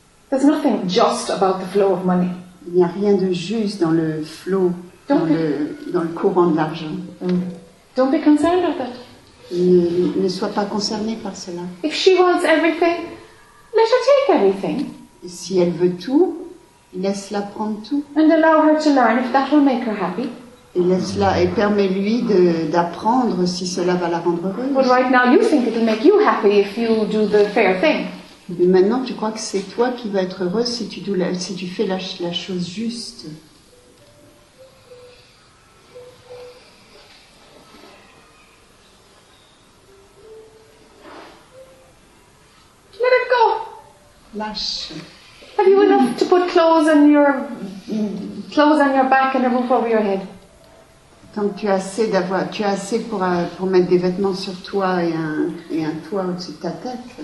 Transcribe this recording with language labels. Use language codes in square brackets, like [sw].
[en] There's nothing just about the flow of money. [fr] Il n'y a rien de juste dans le flow, dans le courant de l'argent. [en] Don't be concerned with it. [fr] Ne sois pas concerné par cela. [en] If she wants everything, let her take everything. [fr] Et si elle veut tout, laisse-la prendre tout. [en] And allow her to learn if that will make her happy. [fr] Et laisse-la et permets-lui d'apprendre si cela va la rendre heureuse. [en] But right now you think it'll make you happy if you do the fair thing. [fr] Mais maintenant tu crois que c'est toi qui vas être heureux si tu fais la chose juste. [en] Let it go. [fr] Lâche. [en] Have you enough to put clothes on your back and a roof over your head? [fr] Tant que tu as assez pour mettre des vêtements sur toi et un toit au-dessus de ta tête.